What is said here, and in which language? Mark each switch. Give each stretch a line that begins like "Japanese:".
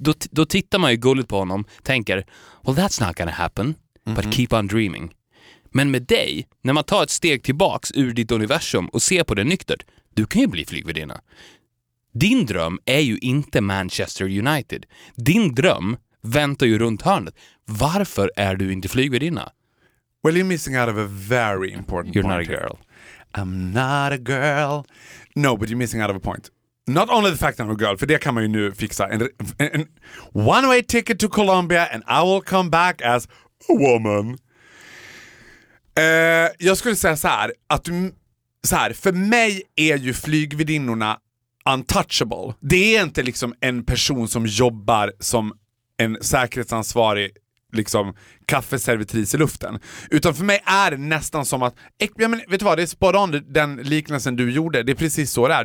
Swedish: Då tittar man ju gulligt på honom, tänker,
English: well that's not gonna happen, but keep on dreaming.
Swedish: Men med dig, när man tar ett steg tillbaks ur ditt universum och ser på det nyktert, du kan ju bli flygvärdinna. Din dröm är ju inte Manchester United. Din dröm väntar ju runt hörnet. Varför är du inte flygvärdinna?
English: Well, you're missing out of a very important point. You're not a girl. I'm not a girl. No, but you're missing out of a point. Not only the fact that I'm a girl,
Swedish: för det kan man ju nu fixa.
English: And one-way ticket to Colombia and I will come back as a woman.
Swedish: Jag skulle säga så här, att du, så här, för mig är ju flygvärdinnorna untouchable. Det är inte liksom en person som jobbar som en säkerhetsansvarig liksom kaffeservitris i luften. Utan för mig är det nästan som att, ja, men vet du vad, det är spot on den liknelsen du gjorde. Det är precis så det är.